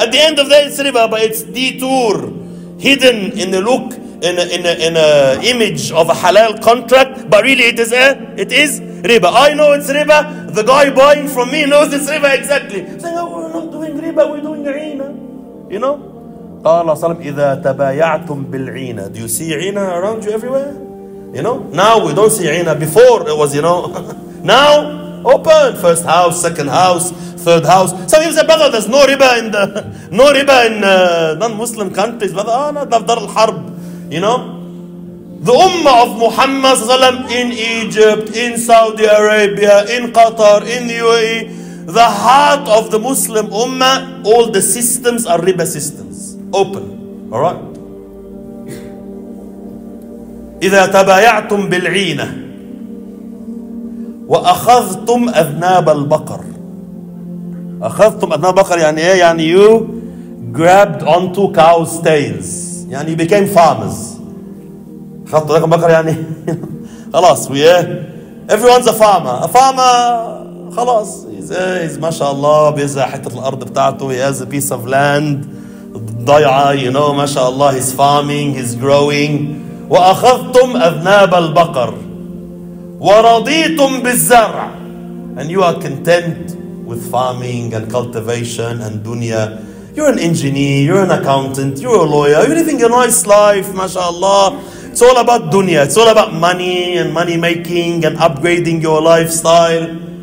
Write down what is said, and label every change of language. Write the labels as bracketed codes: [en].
[en] At the end of the day, it's riba, but it's detour. Hidden in the look, in a image of a halal contract, but really it is riba. I know it's riba. The guy buying from me knows it's riba exactly. Say, oh, we're not doing riba, we're doing عينة. You know? [ar] قال صلى الله إذا تبايعتم بالعينة. [en] Do you see عينة around you everywhere? You know? Now we don't see عينة. Before it was, you know, Now, open first house, second house, third house. Some people say, brother, there's no riba in the non-Muslim countries. Brother, ah, not the Dar al-Harb, you know. The Ummah of Muhammad Sallam in Egypt, in Saudi Arabia, in Qatar, in the UAE, the heart of the Muslim Ummah, all the systems are riba systems. Open. All right. [ar] إذا تبايعتم بالعينة وأخذتم أذناب البقر. أخذتم أذناب البقر يعني إيه؟ يعني [en] you grabbed onto cow's tails. يعني you became farmers. [ar] خدت أذناب البقر يعني خلاص [en] we everyone's a farmer. A farmer [ar] خلاص he's ما شاء الله بيزع حتة الأرض بتاعته. [en] He has a piece of land. ضيعة you know ما شاء الله he's farming, he's growing. [ar] وأخذتم أذناب البقر ورضيتم بالزرع. [en] And you are content with farming and cultivation and dunya. You're an engineer, you're an accountant, you're a lawyer, you're living a nice life, mashallah. It's all about dunya, it's all about money and money making and upgrading your lifestyle.